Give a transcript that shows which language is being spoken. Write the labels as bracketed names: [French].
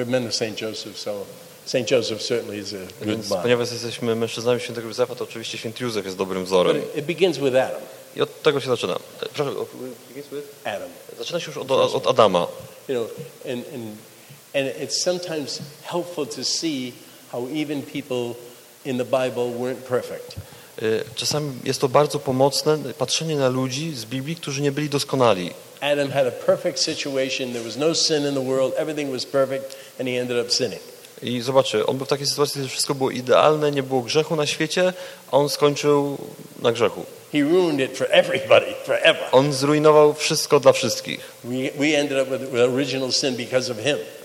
[English] Saint Joseph, so Saint Joseph certainly is a good model. [Polish] Ponieważ jesteśmy mężczyznami świętego Józefa, to oczywiście święty Józef jest dobrym wzorem. [English] But it begins with Adam. [Polish] I od tego się zaczyna. Proszę, [English] Adam. [Polish] Zaczyna się już od Adama. [English] You know, and it's sometimes helpful to see how even people in the Bible weren't perfect. [Polish] Czasami jest to bardzo pomocne patrzenie na ludzi z Biblii, którzy nie byli doskonali. [English] Adam had a perfect situation, there was no sin in the world, everything was perfect and he ended up sinning. [Polish] I zobaczcie, on był w takiej sytuacji, że wszystko było idealne, nie było grzechu na świecie, a on skończył na grzechu. [English] He ruined it for everybody, forever. [Polish] On zrujnował wszystko dla wszystkich. [English] We ended up with original sin because of him.